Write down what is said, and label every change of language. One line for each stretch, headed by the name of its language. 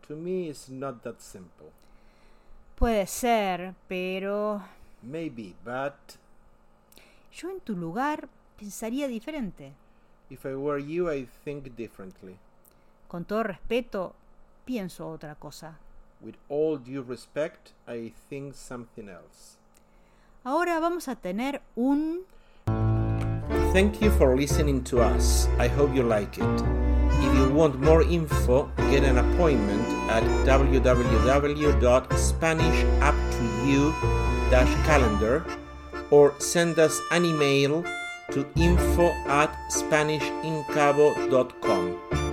English: To me, it's not that simple.
Spanish: Puede ser, pero
English: Maybe, but
Spanish: yo en tu lugar pensaría diferente.
English: if I were you, I'd think differently.
Spanish: Con todo respeto, pienso otra cosa.
English: With all due respect, I think something else.
Spanish: Ahora vamos a tener un
English: Thank you for listening to us. I hope you like it. If you want more info, get an appointment at www.spanishuptoyou-calendar or send us an email to info@spanishincabo.com.